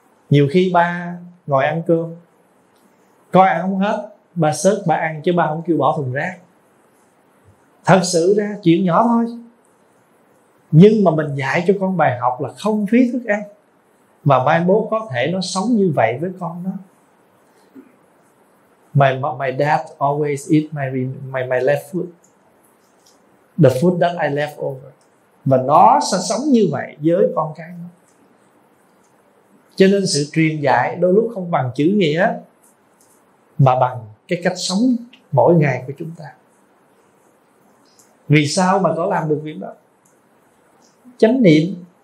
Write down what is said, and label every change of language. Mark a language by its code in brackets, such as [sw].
[vi] Nhiều khi ba ngồi ăn cơm, coi ăn không hết, ba xớt ba ăn chứ ba không kêu bỏ thùng rác. Thật sự ra chuyện nhỏ thôi, nhưng mà mình dạy cho con bài học là không phí thức ăn, mà mai bố có thể nó sống như vậy với con đó. [en] My dad always eat my left food, the food that I left over. [vi] Và nó sẽ sống như vậy với con cái nó. Cho nên sự truyền dạy đôi lúc không bằng chữ nghĩa, mà bằng cái cách sống mỗi ngày của chúng ta. Vì sao mà có làm được việc đó? Chánh niệm.